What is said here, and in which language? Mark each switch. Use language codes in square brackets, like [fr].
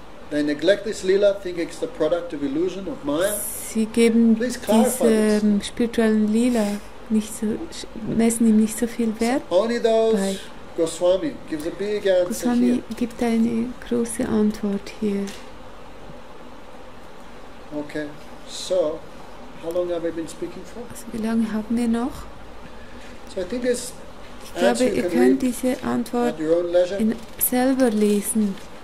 [en] They neglect this lila, think it's the product of illusion of Maya. [de] Sie geben diese spirituellen Lila nicht so, messen ihm nicht so viel Wert. [en] So only those bei. Goswami gives a big answer Goswami here. [de] Gibt eine große Antwort hier. [en] Okay, so how long have we been speaking for? [de] Also, wie lange haben wir noch? [en] So I think this [de] ich glaube, ihr könnt diese Antwort in selber lesen.